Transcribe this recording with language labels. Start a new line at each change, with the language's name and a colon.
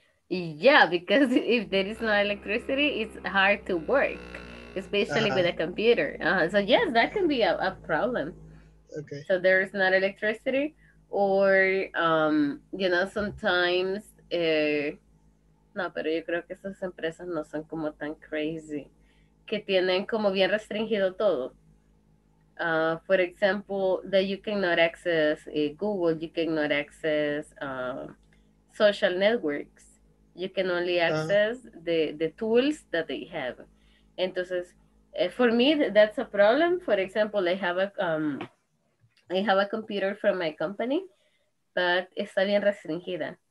English: Yeah, because if there is no electricity, it's hard to work, especially with a computer. So yes, that can be a problem. Okay. So there is not electricity, or you know, sometimes.
Spanish: No, pero yo creo que esas empresas no son como tan crazy, que tienen como bien restringido todo.
English: For example, that you cannot access Google, you cannot access social networks. You can only access the tools that they have. Entonces, for me, that's a problem. For example, I have a computer from my company, but
Spanish: está bien restringida.